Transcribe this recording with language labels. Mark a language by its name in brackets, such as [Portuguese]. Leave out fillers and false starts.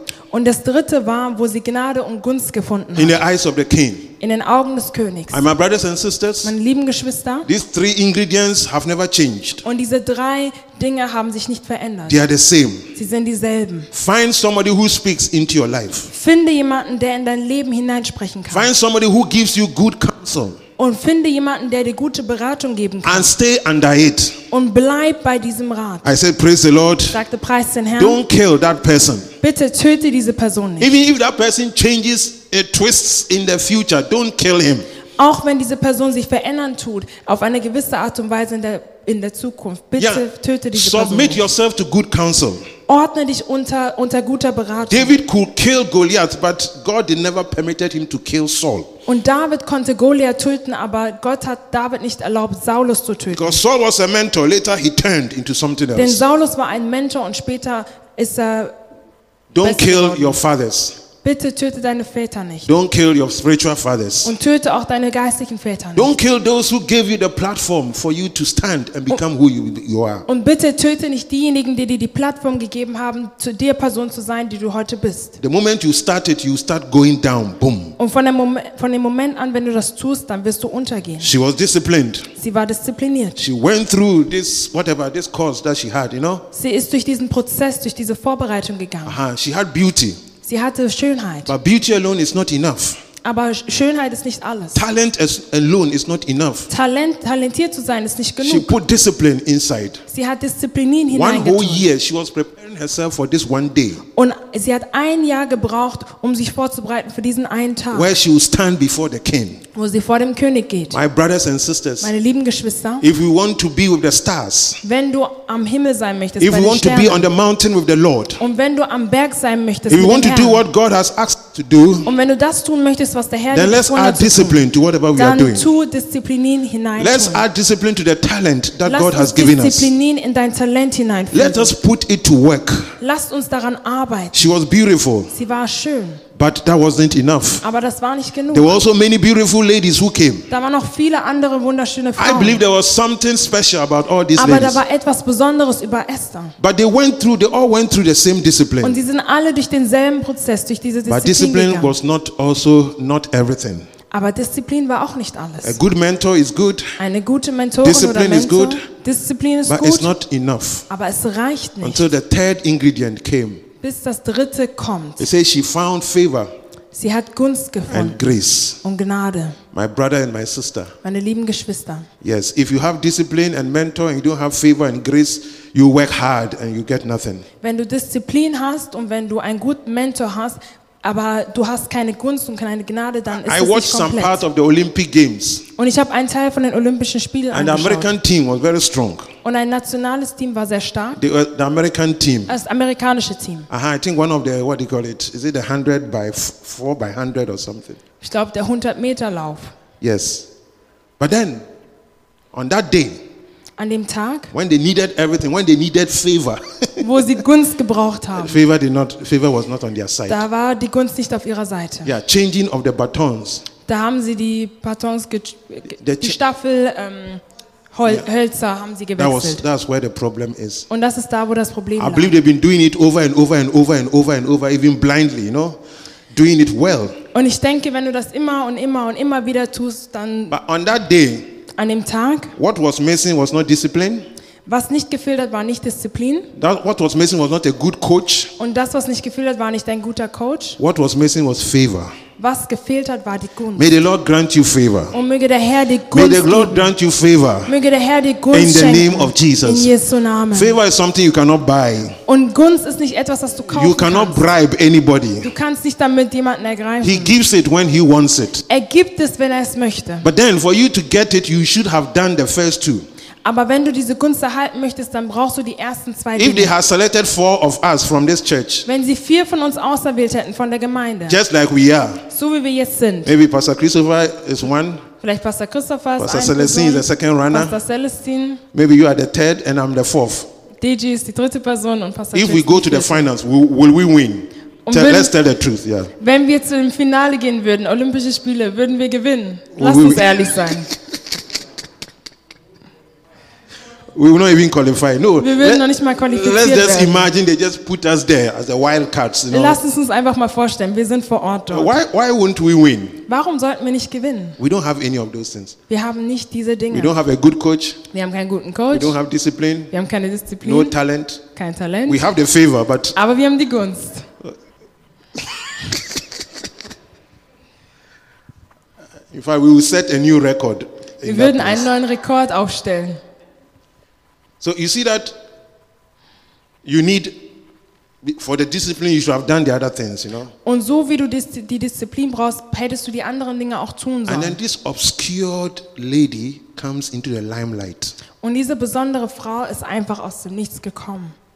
[German] Und das dritte war, wo sie Gnade und Gunst gefunden hat. [English] In the eyes of the king. [German] In den Augen des Königs. [English] And my brothers and sisters, [German] meine lieben Geschwister, [English] these three ingredients have never changed. [German] Und diese drei Dinge haben sich nicht verändert. [English] They are the same. [German] Sie sind dieselben. [English] Find somebody who speaks into your life. [German] Finde jemanden, der in dein Leben hineinsprechen kann. [English] Find somebody who gives you good counsel. [German] Und finde jemanden, der dir gute Beratung geben kann. [English] And stay under it. [German] Und bleib bei diesem Rat. [English] I said, praise the Lord. [German] Sagte, preis den Herrn. [English] Don't kill that person. [German] Bitte töte diese Person nicht. [English] Even if that person changes, it twists in the future, don't kill him. [German] auch wenn diese Person sich verändern tut, auf eine gewisse Art und Weise in der Zukunft. Bitte töte diese [English] submit [German] Person. [English] Submit yourself to good counsel. [German] Ordne dich unter guter Beratung. [English] David could kill Goliath, but God did never permitted him to kill Saul. [German] Und David konnte Goliath töten, aber Gott hat David nicht erlaubt, Saulus zu töten. [English] Because Saul was a mentor, later he turned into something else. [German] Denn Saulus war ein Mentor und später ist er. [English] Don't kill your fathers. [German] Bitte töte deine Väter nicht. [English] Don't kill your spiritual fathers. [German] Und töte auch deine geistlichen Väter nicht. [English] Don't kill those who gave you the platform for you to stand and become who you are. [German] Und bitte töte nicht diejenigen, die dir die Plattform gegeben haben, zu der Person zu sein, die du heute bist. [English] The moment you start it, you start going down, boom. [German] Und von dem Moment an, wenn du das tust, dann wirst du untergehen. [English] She was disciplined. [German] Sie war diszipliniert. [English] She went through this whatever this course that she had, you know? [German] Sie ist durch diesen Prozess, durch diese Vorbereitung gegangen. [English] Aha, she had beauty. [German] Sie hatte Schönheit. [English] But beauty alone is not enough. [German] Aber Schönheit ist nicht alles. [English] Talent alone is not enough. [German] Talentiert zu sein ist nicht genug. [English] She put discipline inside. [German] Sie hat Disziplin hineingetan. [English] One whole year she was preparing herself for this one day. [German] Und sie hat ein Jahr gebraucht, um sich vorzubereiten für diesen einen Tag. [English] Where she will stand before the king. [German] Wo sie vor dem König geht. [English] My brothers and sisters. [German] Meine lieben Geschwister. [English] If we want to be with the stars. [German] Wenn du am Himmel sein möchtest. [English] If we want to be on the mountain with the Lord. [German] Und wenn du am Berg sein möchtest. [English] If we want to do what God has asked to do. [German] Und wenn du das tun möchtest, was der Herr dir gesagt hat. [English] Then let's add discipline to whatever we are doing. [German] Dann tu Disziplin hinein. [English] Let's add discipline to the talent that God has given us. [German] Disziplin in dein Talent hinein. [English] Let us put it to work. [German] Lasst uns daran arbeiten. [English] She was beautiful. [German] Sie war schön. [English] But that wasn't enough. [German] Aber das war nicht genug. [English] There were also many beautiful ladies who came. [German] Da waren noch viele andere wunderschöne Frauen. [English] I believe there was something special about all these [German] Aber [English] ladies. [German] Aber da war etwas Besonderes über Esther. [English] But they all went through the same discipline. [German] Und sie sind alle durch denselben Prozess, durch diese Disziplin. [English] But discipline [German] gegangen. [English] Was not also not everything. [German] Aber Disziplin war auch nicht alles. [English] A good mentor is good. [German] Eine gute Mentorin [English] discipline [German] oder Mentor. [English] Discipline is good. [German] Disziplin ist [English] but [German] gut. [English] But it's not enough. [German] Aber es reicht nicht. [English] Until the third ingredient came. [German] Bis das dritte kommt. [English] It says she found favor. [German] Sie hat Gunst gefunden. [English] And grace. [German] Und Gnade. [English] My brother and my sister. [German] Meine lieben Geschwister. [English] Yes, if you have discipline and mentor and you don't have favor and grace, you work hard and you get nothing. [German] Wenn du Disziplin hast und wenn du einen guten Mentor hast, aber du hast keine Gunst und keine Gnade, dann ist es nicht komplett. [English] I watched some part of the Olympic Games. [German] Und ich habe einen Teil von den Olympischen Spielen angeschaut. [English] And the American team was very strong. [German] Und ein nationales Team war sehr stark. [English] The American team. [German] Das amerikanische Team. [English] Aha, I think one of the, what do you call it? Is it the 100 by 4 by 100 or something? [German] Ich glaube, der 100-Meter-Lauf. [English] Yes. But then, on that day, [German] an dem Tag, [English] when they needed everything, when they needed favor, [German] wo sie Gunst gebraucht haben, [English] favor was not on their side. [German] Da war die Gunst nicht auf ihrer Seite. [English] Yeah, changing of the batons. [German] Da haben sie die Batons, die Staffel, Hölzer haben sie gewechselt. [English] That's where the problem is. [German] Und das ist da, wo das Problem lag. [English] I believe they've been doing it over and over and over and over and over, even blindly, you know, doing it well. [German] Und ich denke, wenn du das immer und immer und immer wieder tust, dann. [English] But on that day. [German] An dem Tag. [English] What was missing was not discipline. [German] Was nicht gefehlt hat, war nicht Disziplin. [English] What was missing was not a good coach. [German] Und das, was nicht gefehlt hat, war nicht ein guter Coach. [English] What was missing was favor. [German] Was gefehlt hat, war die Gunst. [English] May the Lord grant you favor. [German] Und möge der Herr die Gunst. [English] May the Lord grant you favor. [German] Möge der Herr die Gunst [English] in the name of Jesus. [German] In Jesu Namen. [English] Favor is something you cannot buy. [German] Und Gunst ist nicht etwas, das du kaufen kannst. [English] You cannot bribe anybody. [German] Du kannst nicht damit jemanden ergreifen. [English] He gives it when he wants it. [German] Er gibt es, wenn er es möchte. [English] But then, for you to get it, you should have done the first two. [German] Aber wenn du diese Gunst erhalten möchtest, dann brauchst du die ersten zwei Dinge. [English] If they had selected four of us from this church, [German] wenn sie vier von uns auserwählt hätten von der Gemeinde, [English] just like we are, [German] so wie wir jetzt sind, [English] maybe Pastor Christopher is one, [German] vielleicht Pastor Christopher ist [English] Pastor Celestine [German] Person, [English] is the second runner, [German] Pastor Celestine, [English] maybe you are the third and I'm the fourth. [German] DG ist die dritte Person und Pastor. [English] If we go to the finals, will we win? Let's tell the truth, yeah. [German] Wenn wir zu dem Finale gehen würden, Olympische Spiele, würden wir gewinnen? Lass uns ehrlich sein. [English] We will not even qualify. No. [German] Wir würden noch nicht mal qualifiziert werden. [English] Let's just imagine they just put us there as the wild cards, you know. [German] Lass es uns einfach mal vorstellen. Wir sind vor Ort dort. [English] Why won't we win? [German] Warum sollten wir nicht gewinnen? [English] We don't have any of those things. [German] Wir haben nicht diese Dinge. [English] We don't have a good coach. [German] Wir haben keinen guten Coach. [English] We don't have discipline. [German] Wir haben keine Disziplin. [English] No talent. [German] Kein Talent. [English] We have the favor, but. [German] Aber wir haben die Gunst. [English] In fact, we will set a new record. [German] Wir würden einen neuen Rekord aufstellen. [English] So you see that you need For the discipline, you should have done the other things, you know. [German] Und so wie du die Disziplin brauchst, hättest du die anderen Dinge auch tun sollen. [English] And then this obscured lady comes into the limelight. [German] Und diese besondere Frau ist einfach aus dem Nichts gekommen.